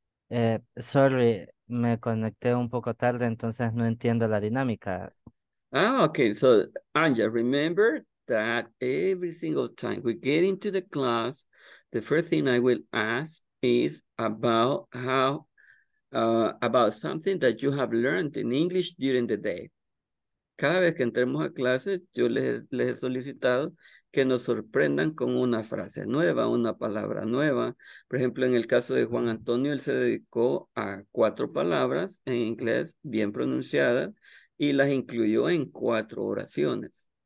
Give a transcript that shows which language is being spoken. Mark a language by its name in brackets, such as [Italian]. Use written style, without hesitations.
[Spanish] Sorry, me conecté un poco tarde, entonces no entiendo la dinámica. Ah, okay. [English] So, Anja, remember that every single time we get into the class, the first thing I will ask is about how, about something that you have learned in English during the day. [Spanish] Cada vez que entremos a clase, yo les he solicitado que nos sorprendan con una frase nueva, una palabra nueva. Por ejemplo, en el caso de Juan Antonio, él se dedicó a 4 palabras en inglés bien pronunciadas, y las incluyó en 4 oraciones.